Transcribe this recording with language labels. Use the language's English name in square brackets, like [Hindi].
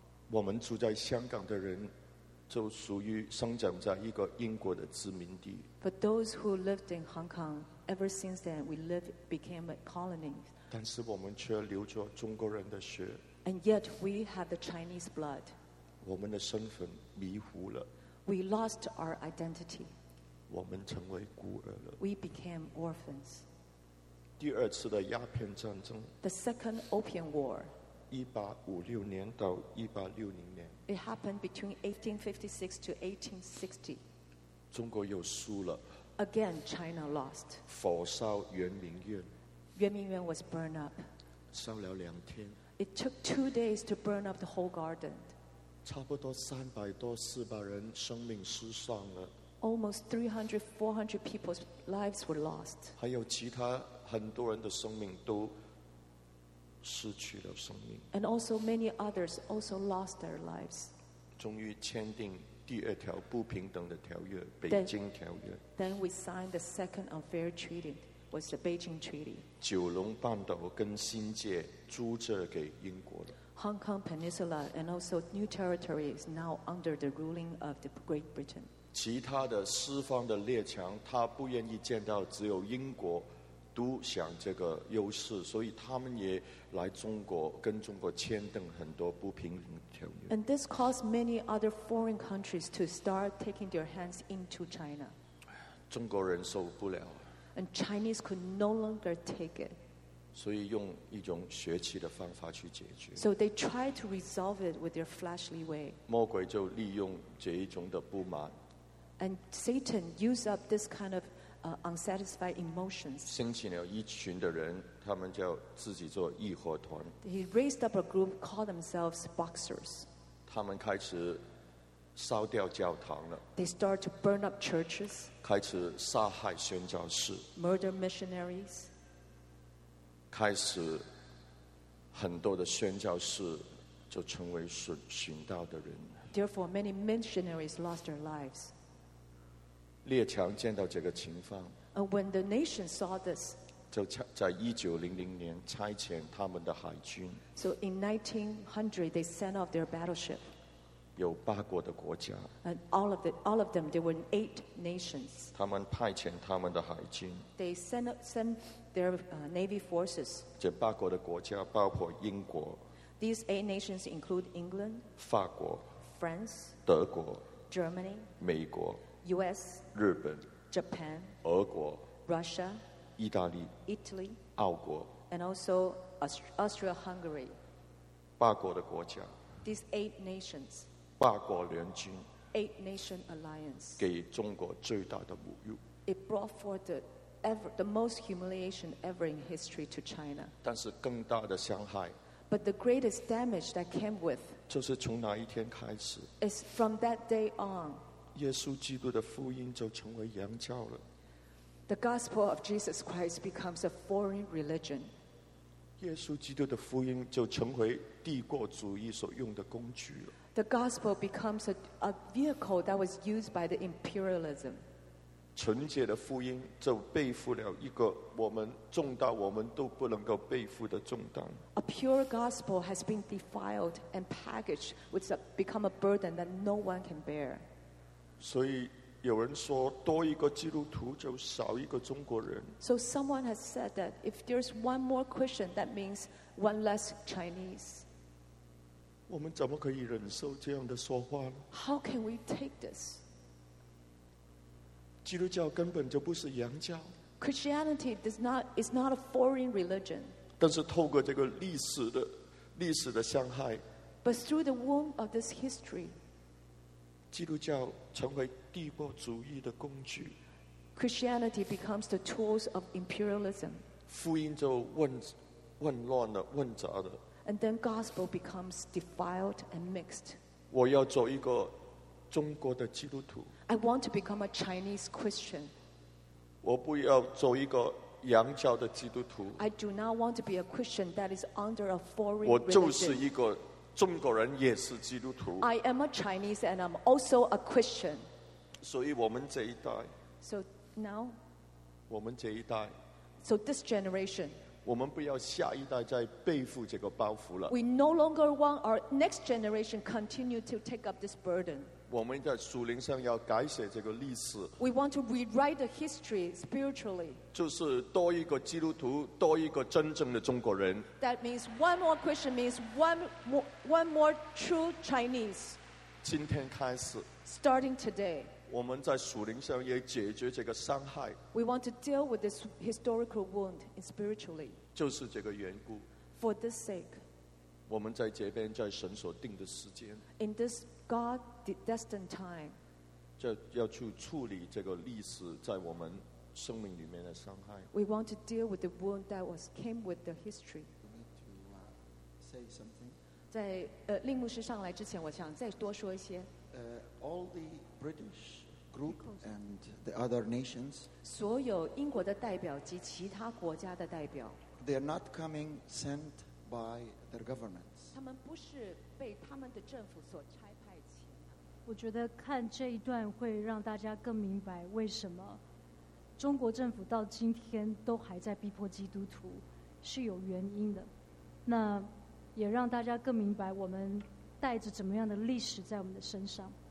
[Chinese] 我们住在香港的人，就属于生长在一个英国的殖民地。 [English] But those who lived in Hong Kong, ever since then, we lived became a colony. [Chinese] 但是我们却流着中国人的血。 [English] And yet we have the Chinese blood. [Chinese] 我们的身份迷糊了。 [English] We lost our identity. [Chinese] 我们成为孤儿了。 [English] We became orphans. [Chinese] 第二次的鸦片战争。 [English] The second opium war. [Chinese] 1856年到1860年。 [English] It happened between 1856 to 1860. [Chinese] 中国又输了。 [English] Again, China lost. [Chinese] 火烧圆明园。 [English] 圆明园 was burned up. [Chinese] 烧了2天。 [English] It took 2 days to burn up the whole garden. [Chinese] 差不多300多400人生命失丧了。 [English] almost 300, 400 people's lives were lost. [Chinese] 还有其他很多人的生命都失去了生命。 [English] And also many others also lost their lives. [Chinese] 终于签订第二条不平等的条约，北京条约。 [English] Then we signed the second unfair treaty, was the Beijing Treaty. [Chinese] 九龙半岛跟新界租借给英国了。 [English] Hong Kong Peninsula and also new territory is now under the ruling of the Great Britain. [Chinese] 其他的西方的列强，他不愿意见到只有英国独享这个优势，所以他们也来中国跟中国签订很多不平等条约。 [English] And this caused many other foreign countries to start taking their hands into China. [Chinese] 中国人受不了。 [English] And Chinese could no longer take it. [Chinese] 所以用一种血气的方法去解决。 [English] So they tried to resolve it with their fleshly way. [Chinese] 魔鬼就利用这一种的不满。 [English] And Satan used up this kind of unsatisfied emotions. [Chinese] 兴起了一群的人，他们叫自己做义和团。 [English] He raised up a group called themselves boxers. [Chinese] 他们开始烧掉教堂了。 [English] They start to burn up churches. [Chinese] 开始杀害宣教士。 [English] Murder missionaries. [Chinese] 开始很多的宣教士就成为殉道的人。 [English] Therefore, many missionaries lost their lives. [Chinese] 列强见到这个情况。 [English] And when the nation saw this, [Chinese] 就在1900年差遣他们的海军。 [English] So in 1900, they sent off their battleship. [Chinese] 有八国的国家。 [English] And all of them, there were eight nations. [Chinese] 他们派遣他们的海军。 [English] They sent their navy forces. [Chinese] 这八国的国家包括英国。 [English] These eight nations include England, [Chinese] 法国、 [English] France, [Chinese] 德国、 [English] Germany, [Chinese] 美国。 [English] U.S. [Chinese] 日本 [English] Japan [Chinese] 俄国 [English] Russia [Chinese] 意大利 [English] Italy [Chinese] 澳国 [English] And also Austria-Hungary [Chinese] 八国的国家 [English] These eight nations [Chinese] 八国联军 [English] Eight nation alliance [Chinese] 给中国最大的侮辱 [English] It brought forth the most humiliation ever in history to China [Chinese] 但是更大的伤害 [English] But the greatest damage that came with [Chinese] 就是从哪一天开始 [English] Is from that day on [Chinese] 耶稣基督的福音就成为洋教了。 [English] The gospel of Jesus Christ becomes a foreign religion. [Chinese] 耶稣基督的福音就成为帝国主义所用的工具了。 [English] The gospel becomes a vehicle that was used by the imperialism. [Chinese] 纯洁的福音就背负了一个我们重大我们都不能够背负的重担。 [English] A pure gospel has been defiled and packaged, which has become a burden that no one can bear. [Chinese] 所以有人说多一个基督徒就少一个中国人 [English] So someone has said that if there's one more Christian that means one less Chinese [Chinese] 我们怎么可以忍受这样的说话呢 [English] How can we take this? [Chinese] 基督教根本就不是洋教 [English] Christianity is not a foreign religion [Chinese] 但是透过这个历史的伤害 [English] But through the womb of this history [Chinese] 基督教成为帝国主义的工具。 [English] Christianity becomes the tools of imperialism. [Chinese] 福音就混乱了、混杂了。 [English] And then gospel becomes defiled and mixed. [Chinese] 我要做一个中国的基督徒。 [English] I want to become a Chinese Christian. [Chinese] 我不要做一个洋教的基督徒。 [English] I do not want to be a Christian that is under a foreign religion. [Chinese] 我就是一个。中国人也是基督徒。 [English] I am a Chinese and I'm also a Christian. [Chinese] 所以我们这一代。 [English] So now. [Chinese] 我们这一代。 [English] So this generation. [Chinese] 我们不要下一代再背负这个包袱了。 [English] We no longer want our next generation continue to take up this burden. [Chinese] 我们在属灵上要改写这个历史。 [English] We want to rewrite the history spiritually. [Chinese] 就是多一个基督徒，多一个真正的中国人。 [English] That means one more Christian means one more true Chinese. [Chinese] 今天开始。 [English] Starting today. [Chinese] 我们在属灵上也解决这个伤害。 [English] We want to deal with this historical wound spiritually. [Chinese] 就是这个缘故。 [English] For this sake. [Chinese] 我们在这边，在神所定的时间。 [English] In this God destined time. [Chinese] 就要去处理这个历史在我们生命里面的伤害。 [English] We want to deal with the wound that came with the history. You need to say something. [Chinese] 在令牧师上来之前，我想再多说一些。 [English] All the British group and the other nations. [Chinese] 所有英国的代表及其他国家的代表。 [English] They are not coming sent by their governments. [Chinese] 他们不是被他们的政府所差派遣。我觉得看这一段会让大家更明白为什么中国政府到今天都还在逼迫基督徒是有原因的。那也让大家更明白我们带着怎么样的历史在我们的身上。